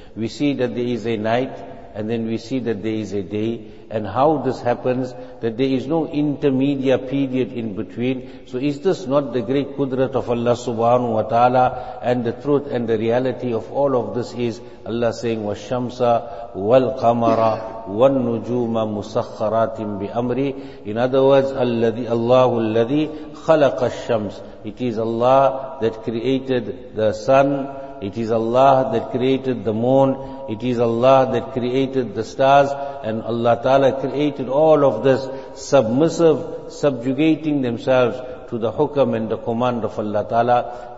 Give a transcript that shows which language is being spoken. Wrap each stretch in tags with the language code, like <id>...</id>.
<en>We see that there is a night, and then we see that there is a day, and how this happens, that there is no intermediate period in between. So is this not the great kudrat of Allah subhanahu wa ta'ala? And the truth and the reality of all of this is Allah saying,</en> <ar>وَالشَّمْسَ وَالْقَمَرَ وَالنُّجُومَ مُسَخَّرَاتٍ بِأَمْرِ.</ar> <en>In other words,</en> <ar>اللَّهُ الَّذِي خَلَقَ الشَّمْسِ.</ar> <en>It is Allah that created the sun, it is Allah that created the moon, it is Allah that created the stars, and Allah Ta'ala created all of this submissive, subjugating themselves to the hukam and the command of Allah Ta'ala.</en>